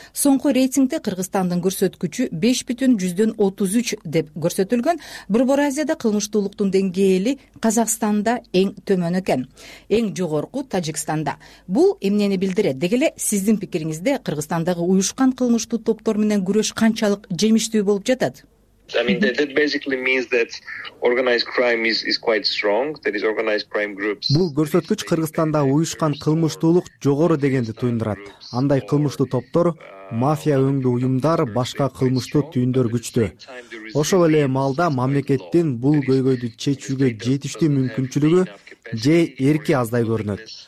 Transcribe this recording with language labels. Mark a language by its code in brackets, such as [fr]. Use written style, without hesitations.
[ky] Соңку рейтингде Кыргызстандын көрсөткүчү 5.133 деп көрсөтүлгөн. Борбор Азияда кылмыштуулуктун деңгээли Казакстанда эң төмөн экен. Эң жогорку Тажикстанда. Бул эмнени билдирет? Деги эле сиздин пикириңизде Кыргызстандагы уюшкан кылмыштуу топтор менен күрөш канчалык жемиштүү болуп жатат? [en] I mean, that basically means that organized crime is quite strong. That is organized crime groups. [ky] Бул көрсөткүч Кыргызстанда уюшкан кылмыштуулук жогору дегенди туюндурат. Андай кылмыштуу топтор, мафия өңдүү уюмдар, башка кылмыштуу түйүндөр күчтүү. Ошол эле маалда мамлекеттин бул көйгөйдү чечүүгө жетиштүү мүмкүнчүлүгү же эрки аздай көрүнөт.